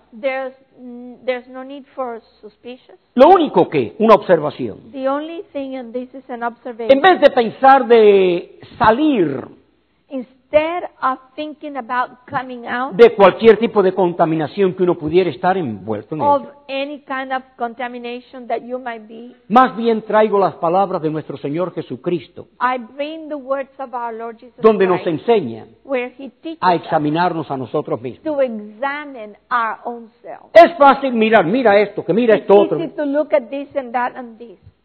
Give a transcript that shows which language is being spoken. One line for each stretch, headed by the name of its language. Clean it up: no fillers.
English: there's no need for suspicious.
Spanish: Lo único que, una observación.
English: The only thing, and this is an observation.
Spanish: En vez de pensar de salir.
English: Instead of thinking about coming out.
Spanish: De cualquier tipo de contaminación que uno pudiera estar envuelto en ella.
English: Of any kind of contamination that you might be.
Spanish: Más bien traigo las palabras de nuestro Señor Jesucristo.
English: I bring the words of our Lord Jesus Christ.
Spanish: Donde nos enseña.
English: Where he teaches
Spanish: a examinarnos a nosotros mismos.
English: To examine our own self.
Spanish: Es fácil mirar, mira esto, que mira esto otro.
English: It's easy to look at this and that and this.